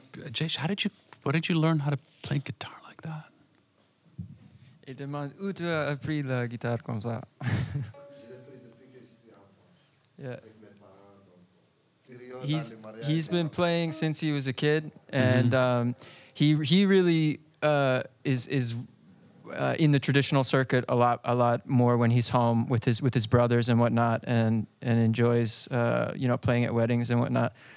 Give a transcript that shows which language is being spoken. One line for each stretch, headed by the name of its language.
English: Jesh, how did you, what did you learn how to play guitar like that?
French: Il demande où tu as appris la guitare comme ça.
English: Yeah. He's been playing since he was a kid, and he really is in the traditional circuit a lot more when he's home with his brothers and whatnot, and enjoys playing at weddings and whatnot.